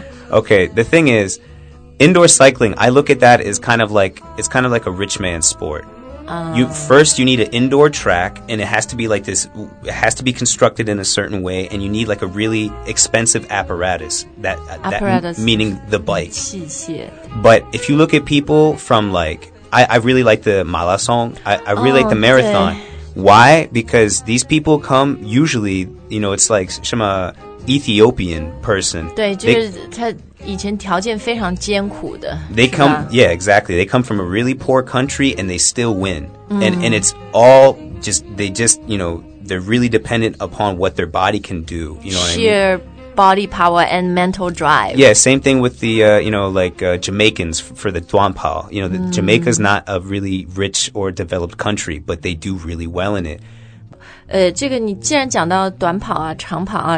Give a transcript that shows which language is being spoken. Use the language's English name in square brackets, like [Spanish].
[English] okay the thing is indoor cycling I look at that as kind of like it's kind of like a rich man's sportYou, first, you need an indoor track, and it has to be like this, it has to be constructed in a certain way, and you need like a really expensive apparatus, meaning the bike. [Chinese] 器械 [English] But if you look at people from like, I really like the marathon, I really like the marathon. Why? Because these people come, usually, you know, it's like some Ethiopian person. [Chinese] 对就是他以前条件非常艰苦的 [English] They come, yeah, exactly. They come from a really poor country and they still win. And it's all just, they just, you know, they're really dependent upon what their body can do. You know what Sheer I mean? Sheer body power and mental drive. Yeah, same thing with the, you know, like Jamaicans for the 短跑 You know, Jamaica's not a really rich or developed country, but they do really well in it. [Chinese] 这个你既然讲到短跑啊长跑啊、